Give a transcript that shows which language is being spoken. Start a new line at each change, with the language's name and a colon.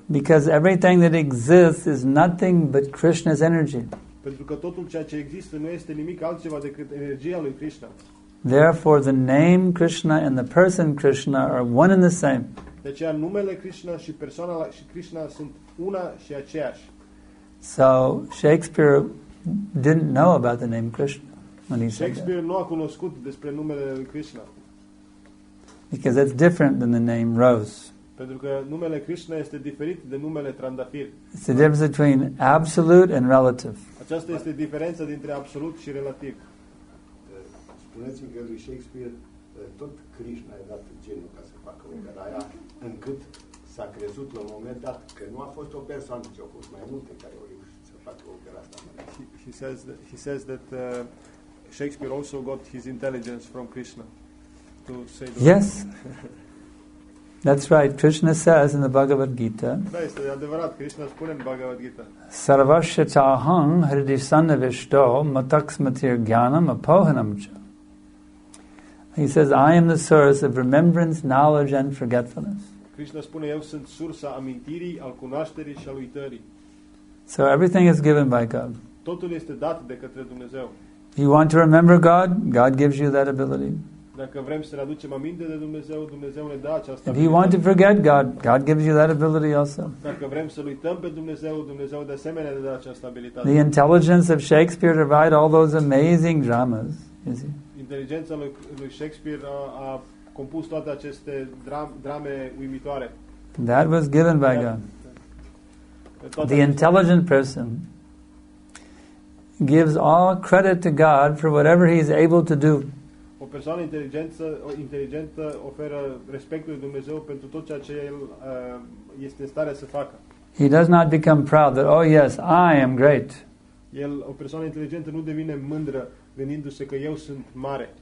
English: Because everything that exists is nothing but Krishna's energy.
Romanian: Pentru că totul ceea ce există nu este nimic altceva decât energia lui Krishna.
English: Therefore, the name Krishna and the person Krishna are one and the same.
Romanian: De aceea numele Krishna și persoana și Krishna sunt una și aceeași.
English: So Shakespeare didn't know about the name Krishna when he said
Romanian: Shakespeare nu a cunoscut despre numele lui Krishna.
English: Because that's different than the name Rose.
Romanian: Pentru că numele Krishna este diferit de numele trandafir.
English: It's the difference between absolute and relative.
Romanian: Aceasta este diferența dintre absolut și relativ. Spuneți-mi că lui Shakespeare tot Krishna i-a dat genul ca să facă opera aia, încât s-a crezut la un moment dat că nu a fost o persoană, ci au fost mai multe care au reușit să facă opera asta.
English: He says that Shakespeare also got his intelligence from Krishna to say that. Yes. That's right. Krishna says in the Bhagavad Gita.
Romanian: Da, este adevărat. Krishna spune în Bhagavad Gita.
Sanskrit: Sarvashyata aham hridi sannivishto mataksmatir gyanam apohanam cha.
English: He says, I am the source of remembrance, knowledge and forgetfulness.
Romanian: Krishna spune, eu sunt sursa amintirii, al cunoașterii și al uitării.
English: So everything is given by God.
Romanian: Totul este dat de către Dumnezeu.
English: You want to remember God? God gives you that ability.
Romanian: Dacă vrem să ne aducem aminte de Dumnezeu, Dumnezeu ne dă această abilitate.
English: If you want to forget God, God gives you that ability also.
Romanian: Dacă vrem să uităm pe Dumnezeu, Dumnezeu de asemenea ne dă această abilitate.
English: The intelligence of Shakespeare to write all those amazing dramas, you see.
Romanian: Inteligența lui Shakespeare a compus toate aceste drame uimitoare.
English: That was given by God. The intelligent person gives all credit to God for whatever he is able to do.
Romanian: O persoană inteligentă oferă respectul lui Dumnezeu pentru tot ceea ce el este în stare să facă.
English: He does not become proud that, oh yes, I am great.
Romanian: El, o persoană inteligentă, nu devine mândră gândindu-se că eu sunt mare.